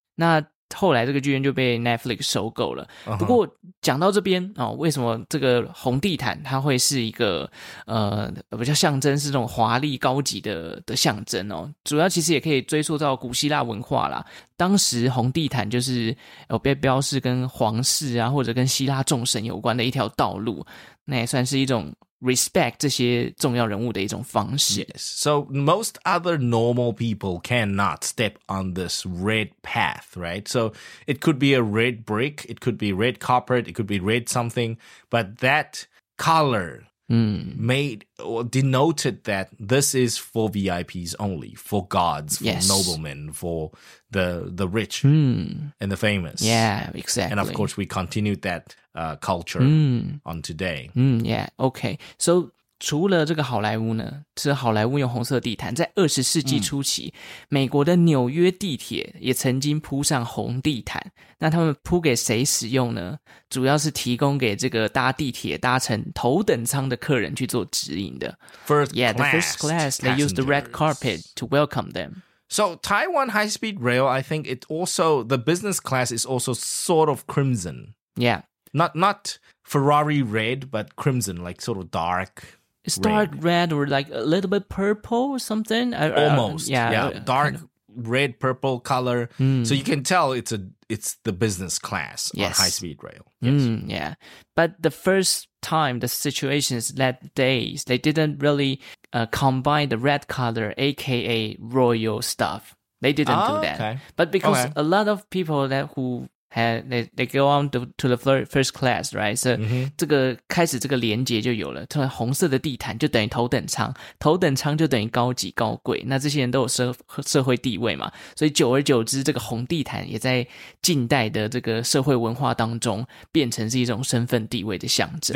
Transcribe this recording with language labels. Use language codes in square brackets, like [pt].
[zh] 那后来这个剧院就被 Netflix 收购了。不过讲到这边，为什么这个红地毯它会是一个比较象征，是这种华丽高级的象征，主要其实也可以追溯到古希腊文化啦。当时红地毯就是有被标示跟皇室啊，或者跟希腊众神有关的一条道路，那也算是一种 respect 这些重要人物的一种方式。 [en] Yes. So most other normal people cannot step on this red path, right? So it could be a red brick, it could be red carpet, it could be red something, but that color made or denoted that this is for VIPs only, for gods, for noblemen, for the rich and the famous. Yeah, exactly. And of course, we continued that culture on today. Yeah, okay. [zh] So, 除了这个好莱坞呢, 是好莱坞用红色地毯, 在20世纪初期, 美国的纽约地铁 也曾经铺上红地毯, 那他们铺给谁使用呢? 主要是提供给这个搭地铁, 搭乘头等舱的客人去做指引的。 [en] First class. Yeah, the first class, they use the red carpet to welcome them. So Taiwan high-speed rail, I think it also, the business class is also sort of crimson. Yeah. Not Ferrari red, but crimson, like sort of dark. It's dark red or like a little bit purple or something. Almost. Dark red, purple color. So you can tell it's the business class on high speed rail. But the first time the situations that days, they didn't really combine the red color, aka royal stuff. They didn't do that. Okay. But because a lot of people they go on to the first class, right? [zh] So, 这个开始这个连接就有了。突然红色的地毯就等于头等舱，头等舱就等于高级高贵。那这些人都有社会地位嘛，所以久而久之，这个红地毯也在近代的这个社会文化当中变成是一种身份地位的象征。